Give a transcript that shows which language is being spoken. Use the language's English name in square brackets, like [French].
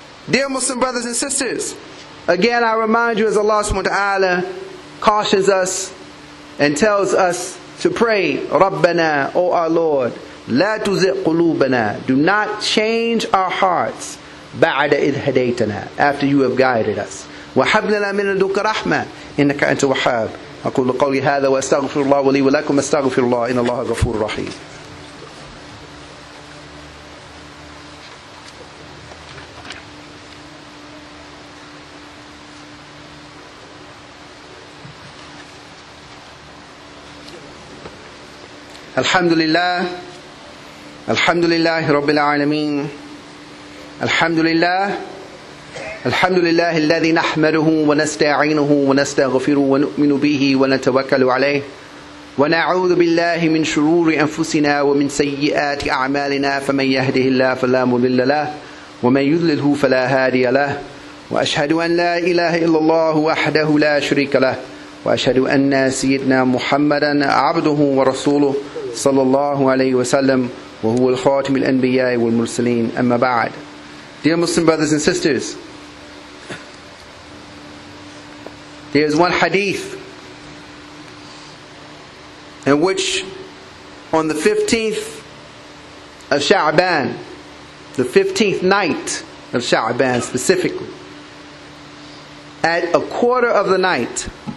[English] Dear Muslim brothers and sisters, again I remind you, as Allah subhanahu wa ta'ala cautions us and tells us to pray, [Arabic] Rabbana, [English] O our Lord, [Arabic] La tuzigh qulubana, [English] do not change our hearts, [Arabic] Ba'da idh hadaytana, [English] after you have guided us. [Arabic] Wa hab lana min ladunka rahma, innaka anta wahhab. أقول قولي هذا وأستغفر الله ولي ولكم أستغفر الله إن الله غفور رحيم. الحمد لله الحمد لله رب العالمين الحمد لله الحمد لله الذي نحمده ونستعينه ونستغفره ونؤمن به ونتوكل عليه ونعوذ بالله من شرور أنفسنا ومن سيئات أعمالنا فمن يهده الله فلا مضل له ومن يضلله فلا هادي له وأشهد أن لا إله إلا الله وحده لا شريك له وأشهد أن سيدنا محمدا عبده ورسوله صلى الله عليه وسلم وهو الخاتم الأنبياء والمرسلين أما بعد. [English] Dear Muslim brothers and sisters, there is one hadith in which on the 15th of Sha'ban, the 15th night of Sha'ban specifically, at a quarter of the night,